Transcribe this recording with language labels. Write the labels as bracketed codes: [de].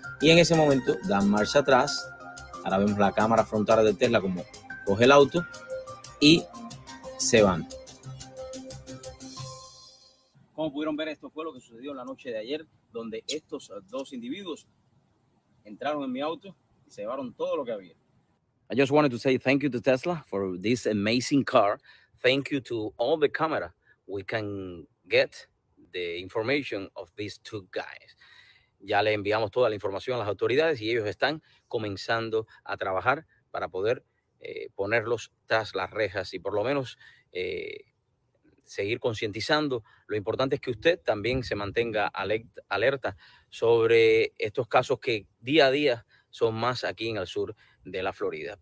[es] Y en ese momento dan marcha atrás. Ahora vemos la cámara frontal de Tesla como coge el auto y se van. Como pudieron ver, esto fue lo que sucedió la noche de ayer, donde estos dos individuos entraron en mi auto y se llevaron todo lo que había. [en] I just wanted to say thank you to Tesla for this amazing car. Thank you to all the camera. We can get the information of these two guys. [es] Ya le enviamos toda la información a las autoridades y ellos están comenzando a trabajar para poder ponerlos tras las rejas y por lo menos seguir concientizando. Lo importante es que usted también se mantenga alerta sobre estos casos que día a día son más aquí en el sur de la Florida.